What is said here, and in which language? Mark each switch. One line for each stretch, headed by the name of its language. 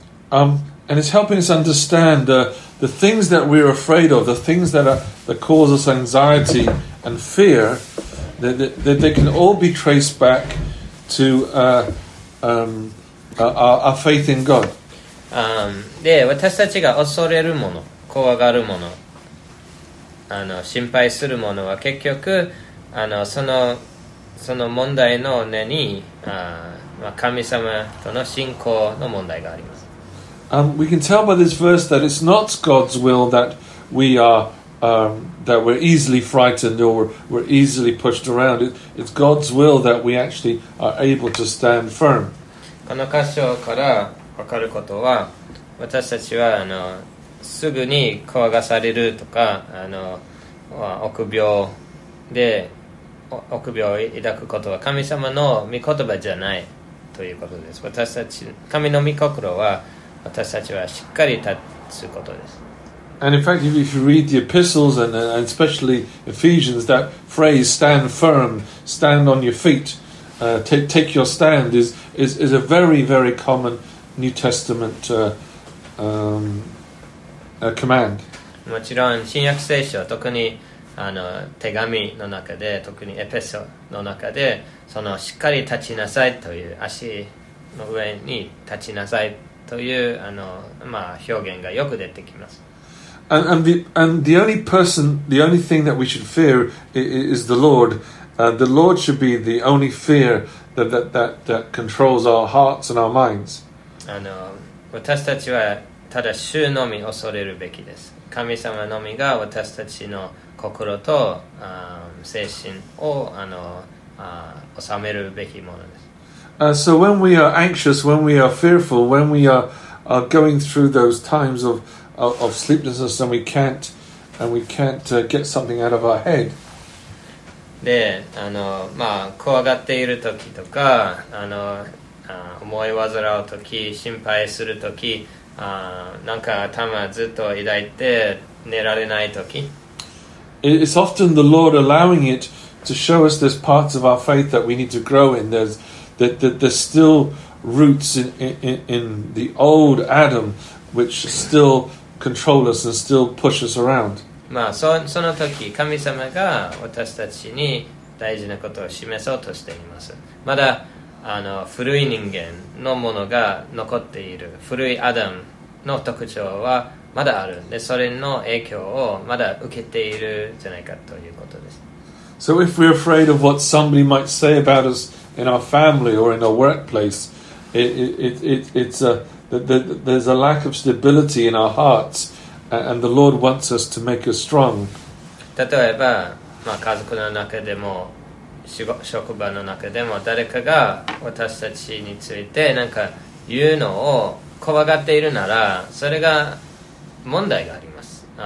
English: And it's helping us understand the things that we're afraid of, the things that cause us anxiety and fear, that they can all be traced back to our faith in God.
Japanese: で、私たちが恐れるもの、怖がるもの、あの、心配するものは結局、あの、その問題の根に、まあ、神様との信仰の問題があります。
English: We can tell by this verse that it's not God's will that we are that we're easily frightened or we're easily pushed around. It's God's will that we actually are able to stand firm.
Japanese: この箇所から分かることは、私たちはあの、すぐに怖がされるとか、あの、臆病を抱くことは神様の御言葉じゃないということです。私たち、神の御心は、私たちはしっかり立つことです。
English: And in fact, if you read the epistles and especially Ephesians, that phrase, stand firm, stand on your feet, take your stand, is a very, very common New Testament command.
Japanese: もちろん新約聖書、特にあの、手紙の中で、特にエペソの中で、そのしっかり立ちなさいという、足の上に立ちなさいという、あの、まあ、表現がよく出てきます。
English: And the only person, the only thing that we should fear is the Lord. The Lord should be the only fear that controls our hearts and our minds.
Japanese: あの、私たちはただ主のみ恐れるべきです。神様のみが私たちの心と精神を、あの、収めるべきものです。
English: So when we are anxious, when we are fearful, when we are going through those times of sleeplessness and we can't get something out of our head.
Japanese: で、まあ、怖がっている時とか、思い煩う時、心配する時、なんか頭ずっと抱いて寝られない時。
English: It's often the Lord allowing it to show us there's parts of our faith that we need to grow in. There's still roots in the old Adam which still control us and still push us around.
Japanese: まあ、その時、神様が私たちに大事なことを示そうとしています。まだ古い人間のものが残っている。古いアダムの特徴はまだある。で、それの影響をまだ受けているじゃないかということです。
English: So if we're afraid of what somebody might say about us in our family or in our workplace, there's a lack of stability in our hearts, and the Lord wants us to make us strong.
Japanese: 例えば、まあ、家族の中でも職場の中でも誰かが私たちについて何か言うのを怖がっているなら、それが問題があります。